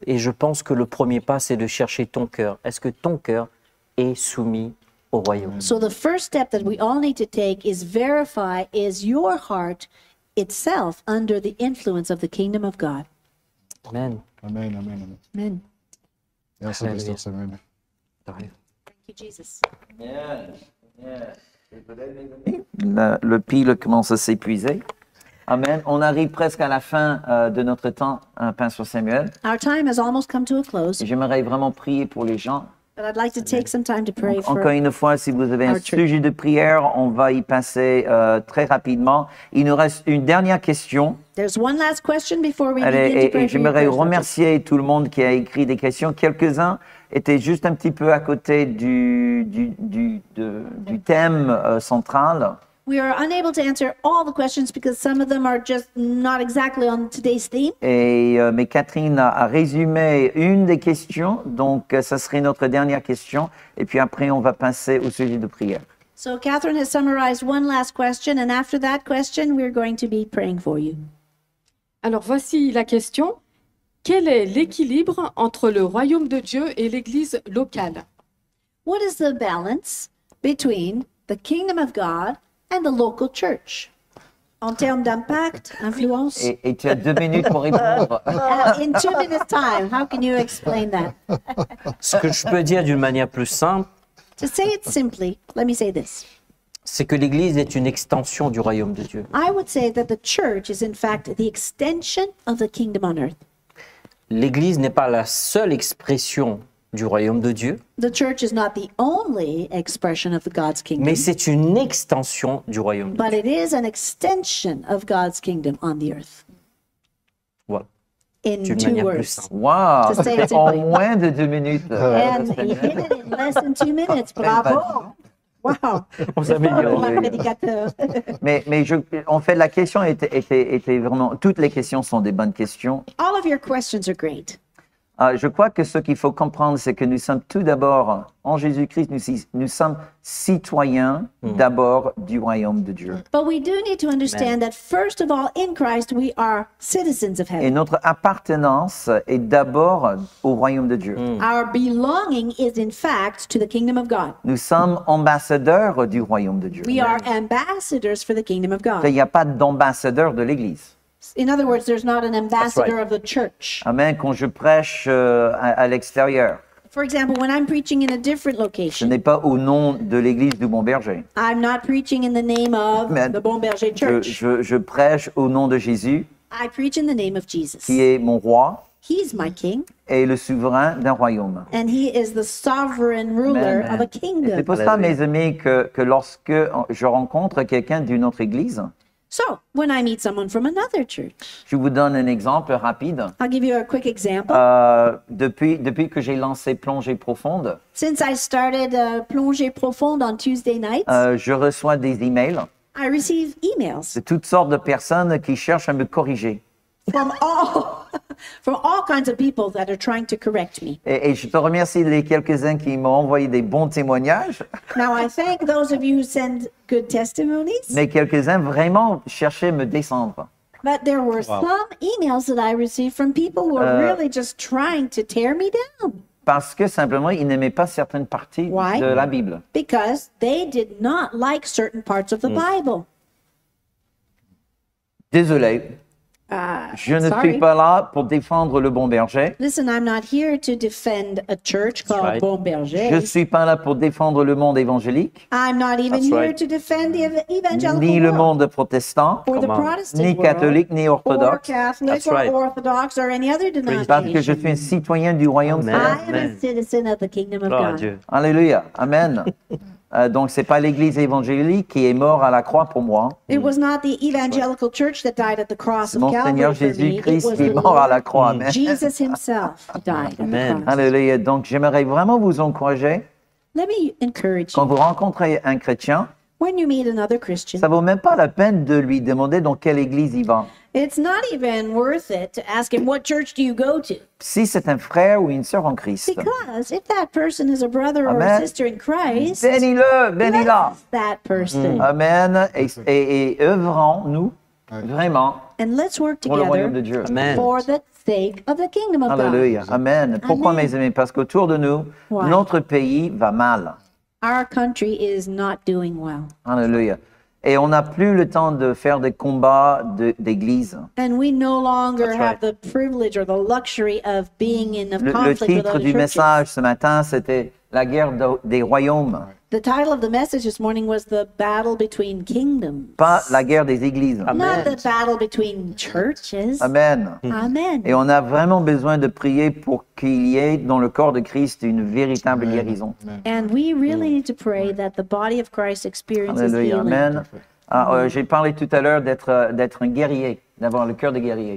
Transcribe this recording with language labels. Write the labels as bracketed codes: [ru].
[fr] Et je pense que le premier pas, c'est de chercher ton cœur. Est-ce que ton cœur est soumis? [en] So the first step that we all need to take is verify, is your heart itself under the influence of the kingdom of God? Amen. Amen, amen, amen. Amen. [fr] Merci, Pasteur Samuel. [en] Thank you, Jesus. Yes, yes. [fr] Le pile commence à s'épuiser. Amen. On arrive presque à la fin de notre temps, Pasteur Samuel. [en] Our time has almost come to a close. [fr] Et j'aimerais vraiment prier pour les gens. [en] But I'd like to take some time to pray. [fr] Encore une fois, si vous avez un sujet de prière, on va y passer très rapidement. Il nous reste une dernière question. [en] There's one last question before we begin to pray. [fr] Et j'aimerais remercier tout le monde qui a écrit des questions. Quelques-uns étaient juste un petit peu à côté du thème central. [en] We are unable to answer all the questions because some of them are just not exactly on today's theme. [fr] Mais Kathryn a résumé une des questions, donc ça serait notre dernière question, et puis après on va passer au sujet de prière. [en] So Kathryn has summarized one last question, and after that question, we're going to be praying for you. [fr] Alors voici la question. Quel est l'équilibre entre le royaume de Dieu et l'église locale? [en] What is the balance between the kingdom of God and the local church, [fr] en termes d'impact, influence. Et tu as deux minutes pour répondre. [en] In 2 minutes time, how can you explain that? [fr] Ce que je peux dire d'une manière plus simple. [en] To say it simply, let me say this. [fr] C'est que l'Église est une extension du royaume de Dieu. [en] I would say that the church is in fact the extension of the kingdom on earth. [fr] L'Église n'est pas la seule expression du royaume de Dieu. [en] The church is not the only expression of God's kingdom. [fr] Mais c'est une extension du royaume de [en] but [fr] Dieu. [en] But it is an extension of God's kingdom on the earth. [fr] Voilà. [en] In two words. Wow. To say it's [fr] en moins de 2 minutes. [en] And he hit it in less than 2 minutes. Bravo. Wow. [fr] On s'améliore. Oui. Mais en fait, la question était vraiment. Toutes les questions sont des bonnes questions. [en] All of your questions are great. [fr] Je crois que ce qu'il faut comprendre, c'est que nous sommes tout d'abord, en Jésus-Christ, nous sommes citoyens d'abord du royaume de Dieu. [en] But we do need to understand that first of all, in Christ, we are citizens of heaven. [fr] Et notre appartenance est d'abord au royaume de Dieu. [en] Our belonging is in fact to the kingdom of God. [fr] Nous sommes ambassadeurs du royaume de Dieu. [en] We are ambassadors for the kingdom of God. [fr] Il n'y a pas d'ambassadeur de l'Église. [en] In other words, there's not an ambassador of the church. [fr] Amen. Quand je prêche à l'extérieur. [en] For example, when I'm preaching in a different location. [fr] Ce n'est pas au nom de l'église du Bon Berger. [en] I'm not preaching in the name of the Bon Berger Church. [fr] Je prêche au nom de Jésus. [en] I preach in the name of Jesus. [fr] Qui est mon roi. [en] He's my king. [fr] Et le souverain d'un royaume. [en] And he is the sovereign ruler of a kingdom. [fr] C'est pour ça, mes amis, que lorsque je rencontre quelqu'un d'une autre église. [en] So, when I meet someone from another church. [fr] Je vous donne un exemple rapide. [en] I'll give you a quick example. [fr] Depuis que j'ai lancé Plongée Profonde. [en] Since I started Plongée Profonde on Tuesday nights. [fr] Je reçois des emails. [en] I receive emails. [fr] De toutes sortes de personnes qui cherchent à me corriger. [en] From all kinds of people that are trying to correct me. [fr] Et je te remercie les quelques-uns qui m'ont envoyé des bons témoignages. [en] Now I thank those of you who send good testimonies. [fr] Mais quelques-uns vraiment cherchaient à me descendre. [en] But there were some emails that I received from people who were really just trying to tear me down. [fr] Parce que simplement, ils n'aimaient pas certaines parties de la Bible. [en] Because they did not like certain parts of the Bible. [fr] Désolé. Je ne suis pas là pour défendre le Bon Berger. [en] Listen, I'm not here to defend a church called Bon Berger. [fr] Je ne suis pas là pour défendre le monde évangélique. [en] I'm not even here to defend the evangelical [fr] ni [en] world. [fr] Le monde protestant, [en] or the Protestant [fr] ni catholique, [en] world, [fr] ni orthodoxe. [en] Or Catholic, that's right. Or orthodox, or any other denomination. [fr] Parce que je suis un citoyen du royaume de Dieu. [en] I am a citizen of the kingdom of God. Alléluia. Amen. [fr] Donc, ce n'est pas l'Église évangélique qui est morte à la croix pour moi. [en] It was not the evangelical church that died at the cross of Calvary. [fr] Mon Seigneur Jésus-Christ qui est mort à la croix. Amen. [en] Jesus himself died Amen. At the cross. [fr] Alléluia. Donc, j'aimerais vraiment vous encourager. [en] Let me encourage you. [fr] Quand vous rencontrez un chrétien, [en] when you meet another Christian, [fr] ça ne vaut même pas la peine de lui demander dans quelle église il va. [en] It's not even worth it to ask him what church do you go to. [fr] Si c'est un frère ou une sœur en Christ. [en] Because if that person is a brother or a sister in Christ, [fr] bénis-le, bénis-la. [en] Bless that person. [fr] Amen. Et œuvrons-nous vraiment [en] and let's work together [fr] pour le royaume de Dieu. Amen. [en] For the sake of the kingdom of God. [fr] Alléluia. Amen. Pourquoi, mes amis? Parce qu'autour de nous, notre pays va mal. [en] Our country is not doing well. Alléluia. [fr] Et on n'a plus le temps de faire des combats d'église. [en] And we no longer have the privilege or the luxury of being in a conflict with other churches. [fr] Le titre du message ce matin, c'était la guerre des royaumes. [en] The title of the message this morning was the battle between kingdoms. [fr] Pas la guerre des églises. [en] Amen. Not the battle between churches. Amen. Amen. [fr] Et on a vraiment besoin de prier pour qu'il y ait dans le corps de Christ une véritable Amen. Guérison. Amen. [en] And we really need to pray Amen. That the body of Christ experiences Alleluia. Healing. Amen. [fr] Ah, j'ai parlé tout à l'heure d'être un guerrier, d'avoir le cœur de guerrier.